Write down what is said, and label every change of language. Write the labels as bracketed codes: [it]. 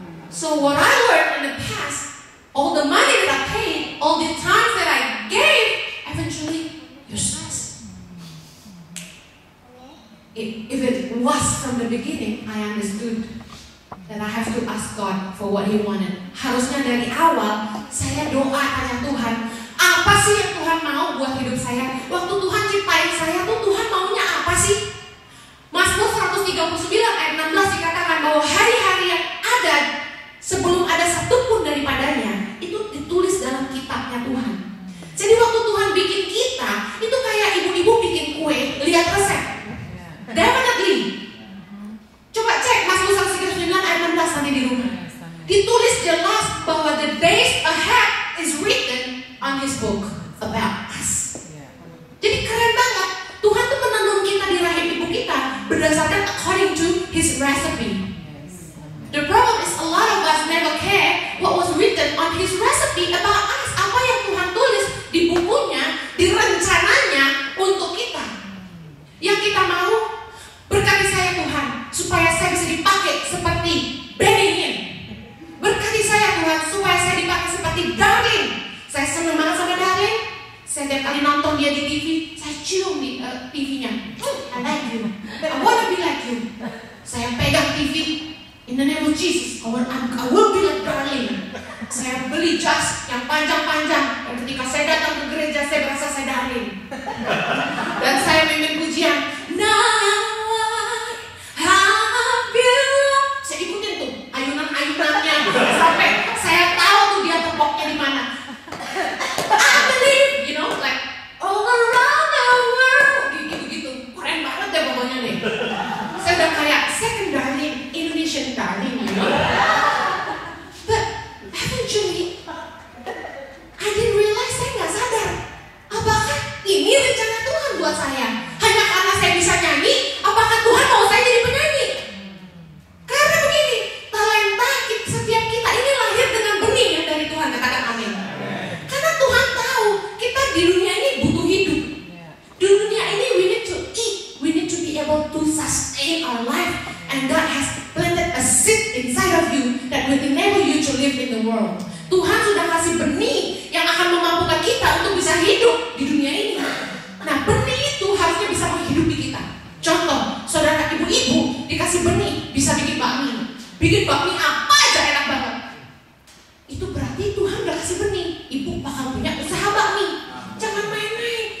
[en] So what I learned in the past, all the money that I paid, all the times that I gave, eventually useless. If it was from the beginning, I understood that I have to ask God for what He wanted. [id] Harusnya dari awal saya doa tanya Tuhan, apa sih yang Tuhan mau buat hidup saya? Waktu Tuhan ciptain saya tuh, Tuhan maunya apa sih? Mazmur 139 ayat 16 dikatakan bahwa hari-hari yang ada sebelum ada satupun daripadanya itu ditulis dalam kitabnya Tuhan. Jadi waktu Tuhan bikin kita, itu kayak ibu-ibu bikin kue, lihat resep. Definitely. Coba cek Mazmur 139 ayat 16 nanti di rumah. Ditulis jelas bahwa [en] the days ahead is written on His book about us. [id] Jadi keren banget, Tuhan tuh menenun kita di rahim ibu kita berdasarkan [en] according to His recipe. The problem is a lot of us never care what was written on His recipe about us. [id] Apa yang Tuhan tulis di bukunya, di rencananya untuk kita. Yang kita mau, berkati saya Tuhan supaya saya bisa dipakai seperti Benihin. Berkati saya Tuhan supaya saya dipakai seperti Darling. Saya senang banget sama Darling. Saya tiap kali nonton dia di TV, saya cium di TV-nya. [en] I like you. I wanna be like you. [id] Saya pegang TV. [en] In the name of Jesus, I will be like Darling. [id] Saya beli jas yang panjang-panjang. Dan ketika saya datang ke gereja, saya merasa saya Darling. Dan saya memimpin pujian. [en] Now I have you. [id] Saya ikutin tuh ayunan-ayunannya sampai saya tahu tuh dia tepoknya di mana. [en] I believe, you know, like all around the world. [id] Gitu-gitu, keren banget deh pokoknya nih. Saya udah kayak [en] second Darling, Indonesian Darling, you know. But eventually, I didn't realize, [id] saya gak sadar apakah ini rencana Tuhan buat saya. Hanya karena saya bisa nyanyi, apakah Tuhan mau saya jadi penyanyi? Karena begini, talenta setiap kita ini lahir dengan benih yang dari Tuhan, katakan amin. Karena Tuhan tahu, kita di dunia ini butuh hidup. Di dunia ini [en] we need to eat, we need to be able to sustain our life. And God has planted a seed inside of you that will enable you to live in the world. [id] Tuhan sudah kasih benih yang akan memampukan kita untuk bisa hidup di dunia ini. Nah, benih itu harusnya bisa menghidupi kita. Contoh, saudara ibu-ibu dikasih benih, bisa bikin bakmi. Bikin bakmi apa aja enak banget. Itu berarti Tuhan udah kasih benih, ibu bakal punya usaha bakmi. Jangan main-main.